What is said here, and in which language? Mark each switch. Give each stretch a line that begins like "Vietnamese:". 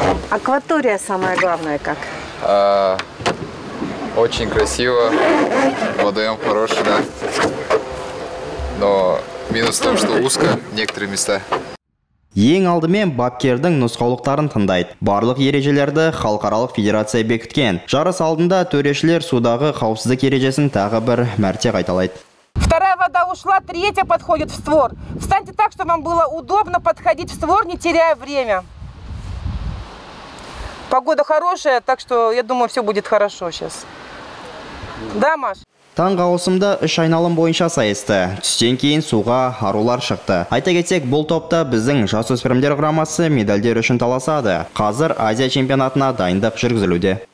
Russian: Акватория самое главное как? Очень красиво, водоем хороший, да. Но минус в том, что узко некоторые места.
Kazakh: Ең алдымен бапкердің нұсқаулықтарын тыңдайды. Барлық ережелерді Халықаралық Федерация бекіткен. Жарыс алдында төрешілер судағы қауіпсіздік ережесін тағы бір мәрте қайталайды.
Russian: Вторая вода ушла, третья подходит в створ. Встаньте так, чтобы вам было удобно подходить в створ, не теряя время. Погода хорошая, так что, я думаю, все будет хорошо сейчас. Да, Маш?
Kazakh: Таңғы ауысымда үш айналым бойынша сайысты. Түстен кейін суға арулар шықты. Айта кетсек, бұл топта біздің жасөспірімдер құрамасы медальдер үшін таласады. Қазір Азия чемпионатына дайындық жүргізілуде.